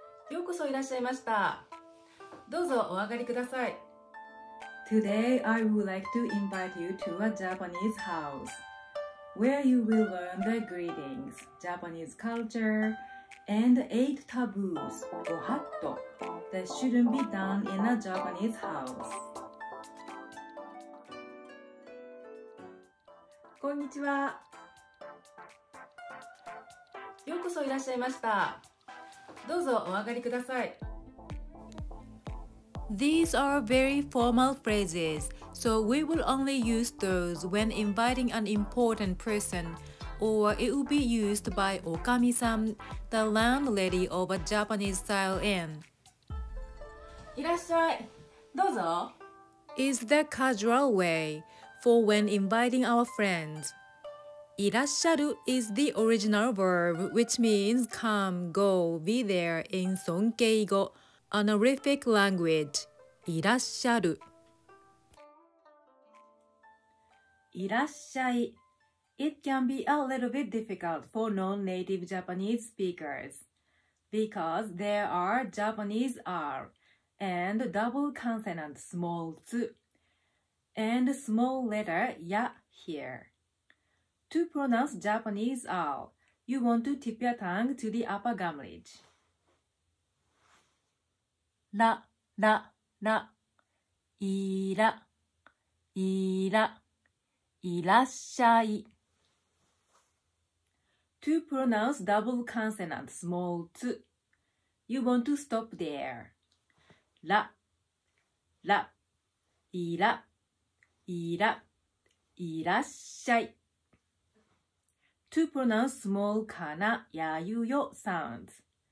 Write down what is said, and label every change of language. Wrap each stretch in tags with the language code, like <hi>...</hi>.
<ja>ようこそいらっしゃいました。どうぞお上がりください。</ja> <en>Today I would like to invite you to a Japanese house where you will learn the greetings, Japanese culture and eight taboos, Gohatto, that shouldn't be done in a Japanese house.</en> <ja>こんにちは。ようこそいらっしゃいました。どうぞお上がりください。</ja> <en>These are very formal phrases, so we will only use those when inviting an important person, or it will be used by okami-san, the landlady of a Japanese-style inn.</en> <ja>いらっしゃい。どうぞ。</ja> <en>Is the casual way for when inviting our friends. いらっしゃる is the original verb, which means come, go, be there in 尊敬語, honorific language.</en> <ja>いらっしゃる。いらっしゃい。</ja> <en>It can be a little bit difficult for non-native Japanese speakers because there are Japanese R and double consonant small tsu and small letter ya here. To pronounce Japanese R, you want to tip your tongue to the upper gum ridge. Ra, ra, ra.</en> <ja>いら、いら、いらっしゃい。</ja> <en>To pronounce double consonant small t, you want to stop there.</en> <ja>Ra, ra, いら、いら、いらっしゃい。</ja> <en>To pronounce small kana yayuyo sounds.</en>